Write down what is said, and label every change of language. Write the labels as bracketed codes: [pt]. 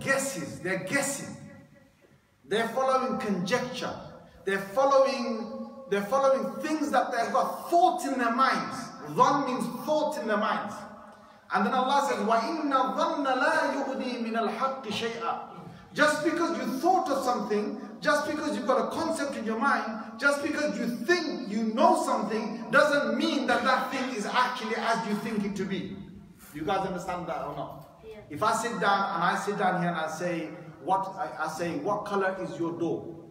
[en] guesses, they're guessing. They're following conjecture. They're following things that they've got thought in their minds. Dhan means thought in their minds. And then Allah says, [ar] وَإِنَّ الظَّنَّ لَا يُغْنِي مِنَ الْحَقِّ شَيْئًا. [en] Just because you thought of something, just because you've got a concept in your mind, just because you think you know something, doesn't mean that that thing is actually as you think it to be. You guys understand that or not? Yeah. If I sit down and I sit down here and I say, what color is your door?